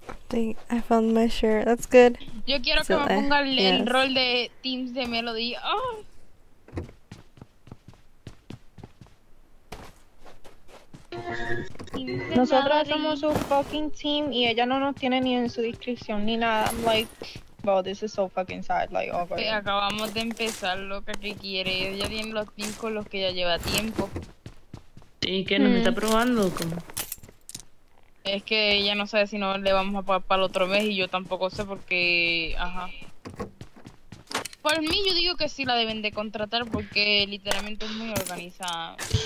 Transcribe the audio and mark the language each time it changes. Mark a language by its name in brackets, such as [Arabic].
[English] I found my shirt, that's good. [Spanish] Yo quiero que me ponga el rol de Teams de Melody. Oh. Nosotras somos su [English] fucking [Spanish] team y ella no nos tiene ni en su descripción ni nada. [English] I'm like, well, this is so fucking sad. Like, oh, okay. [Spanish] Acabamos de empezar, loca, que quiere. Ella tiene los teams con los que ya lleva tiempo. ¿Y qué? ¿Nos está probando? ¿Cómo? Es que ella no sabe si no le vamos a pagar para el otro mes y yo tampoco sé porque. Ajá. Por mí yo digo que sí la deben de contratar porque literalmente es muy organizada.